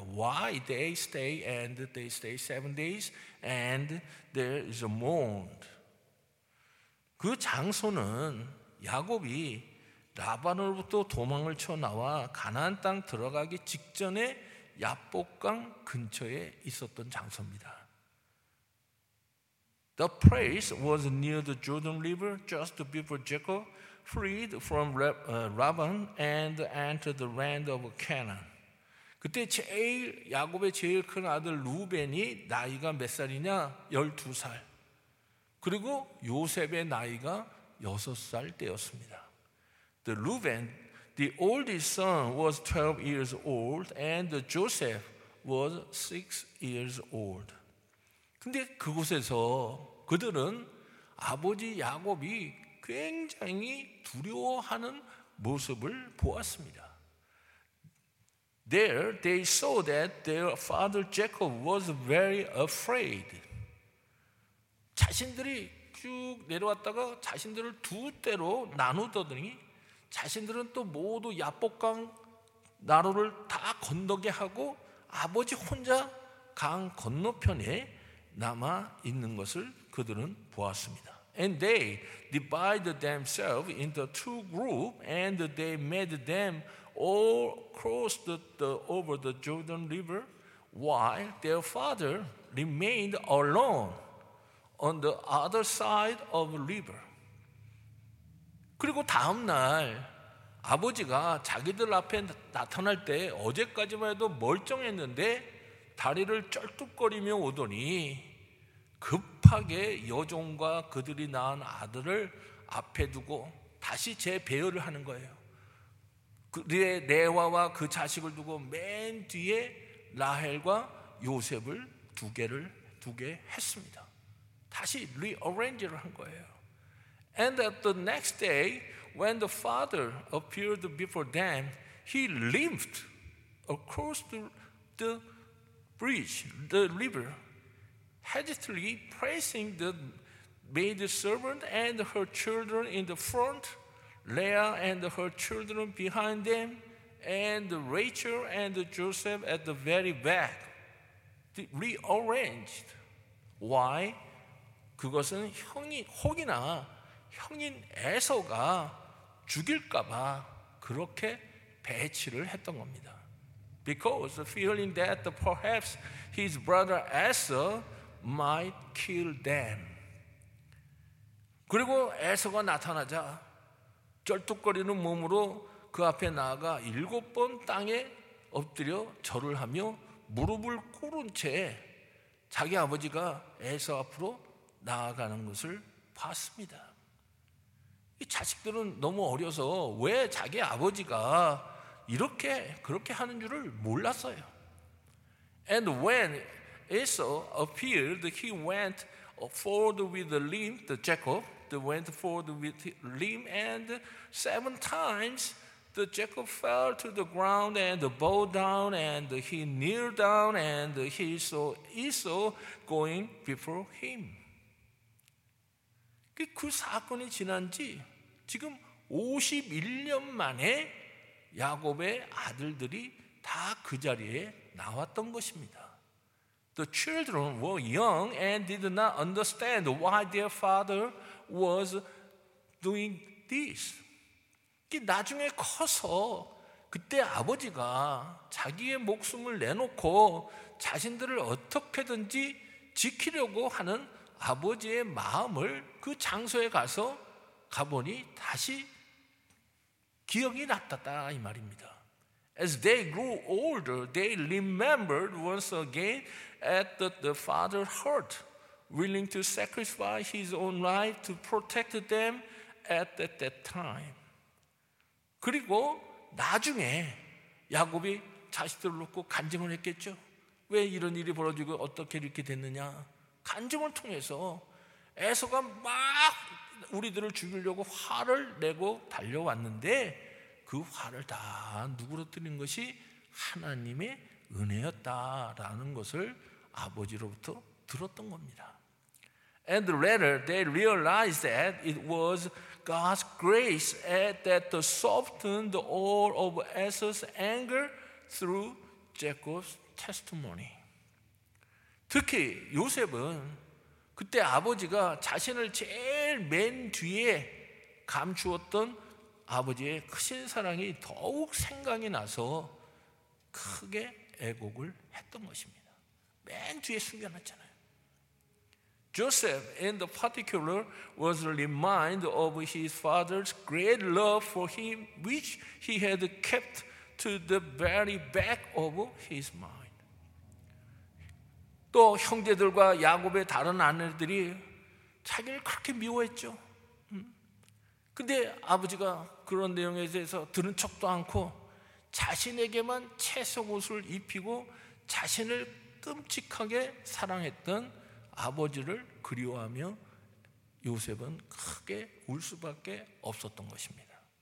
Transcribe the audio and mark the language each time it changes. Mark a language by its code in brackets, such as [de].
[en] Why they stay and they stay 7 days and there is a mourn. [ko] 그 장소는 야곱이 라반으로부터 도망을 쳐 나와 가나안 땅 들어가기 직전에 얍복강 근처에 있었던 장소입니다. [en] The place was near the Jordan River just before Jacob freed from Laban and entered the land of Canaan. [ko] 그때 제일 야곱의 제일 큰 아들 루벤이 나이가 몇 살이냐? 12살. 그리고 요셉의 나이가 6살 때였습니다. [en] The Reuben, the oldest son, was 12 years old and Joseph was 6 years old. [ko] 근데 그곳에서 그들은 아버지 야곱이 굉장히 두려워하는 모습을 보았습니다. [en] There they saw that their father Jacob was very afraid. [ko] 자신들이 쭉 내려왔다가 자신들을 두 대로 나누더니 자신들은 또 모두 얍복강 나루를 다 건너게 하고 아버지 혼자 강 건너편에 남아 있는 것을 그들은 보았습니다. [en] And they divided themselves into two groups and they made them all cross over the Jordan River while their father remained alone on the other side of the river. [ko] 그리고 다음 날 아버지가 자기들 앞에 나타날 때 어제까지만 해도 멀쩡했는데 다리를 쩔뚝거리며 오더니 급하게 여종과 그들이 낳은 아들을 앞에 두고 다시 재배열을 하는 거예요. 그의 레와와 그 자식을 두고 맨 뒤에 라헬과 요셉을 두게 했습니다. 다시 리어렌지를 한 거예요. [en] And at the next day, when the father appeared before them, he limped across the bridge, the river, hastily pressing the maidservant and her children in the front, Leah and her children behind them, and Rachel and Joseph at the very back, rearranged. Why? [ko] 그것은 혹이나 형인 에서가 죽일까봐 그렇게 배치를 했던 겁니다. [en] Because feeling that perhaps his brother Esau might kill them. [ko] 그리고 에서가 나타나자 쩔뚝거리는 몸으로 그 앞에 나아가 일곱 번 땅에 엎드려 절을 하며 무릎을 꿇은 채 자기 아버지가 에서 앞으로 나아가는 것을 봤습니다. 이 자식들은 너무 어려서 왜 자기 아버지가 이렇게 그렇게 하는 줄을 몰랐어요. [en] And when Esau appeared, he went forward with the limp, the Jacob, went forward with the limp, and seven times the Jacob fell to the ground and bowed down, and he kneeled down, and he saw Esau going before him. [ko] 그 사건이 지난 지 지금 51년 만에 야곱의 아들들이 다 그 자리에 나왔던 것입니다. [en] The children were young and did not understand why their father was doing this. [ko] 나중에 커서 그때 아버지가 자기의 목숨을 내놓고 자신들을 어떻게든지 지키려고 하는 아버지의 마음을 그 장소에 가서 가보니 다시 기억이 났다 이 말입니다. [en] As they grew older, they remembered once again at the father's heart, willing to sacrifice his own life to protect them at that time. [ko] 그리고 나중에 야곱이 자식들을 놓고 간증을 했겠죠. 왜 이런 일이 벌어지고 어떻게 이렇게 됐느냐. 간증을 통해서 에서가 막 우리들을 죽이려고 화를 내고 달려왔는데 그 화를 다 누그러뜨린 것이 하나님의 은혜였다라는 것을 아버지로부터 들었던 겁니다. [en] And later they realized that it was God's grace that softened all of Esau's anger through Jacob's testimony. [ko] 특히 요셉은 그때 아버지가 자신을 제일 맨 뒤에 감추었던 아버지의 크신 사랑이 더욱 생각이 나서 크게 애곡을 했던 것입니다. 맨 뒤에 숨겨놨잖아요. [en] Joseph in the particular was reminded of his father's great love for him which he had kept to the very back of his mind. [ko] 또 형제들과 야곱의 다른 아내들이 자기를 그렇게 미워했죠. 근데 아버지가 그런 내용에 대해서 들은 척도 않고 자신에게만 채색옷을 입히고 자신을 끔찍하게 사랑했던 아버지를 그리워하며 요셉은 크게 울 수밖에 없었던 것입니다.